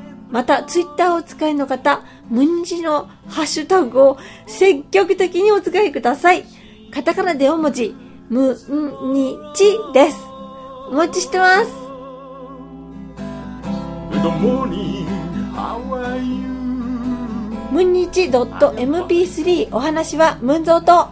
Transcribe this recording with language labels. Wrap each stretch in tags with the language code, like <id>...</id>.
<ja>またツイッターをお使いの方、ムンニチのハッシュタグを積極的にお使いください。カタカナで大文字ムンニチです。お待ちしてます。</ja> <en>Good morning, how are you?</en> <ja>ムンニチ .mp3、 お話はムンゾーと</ja>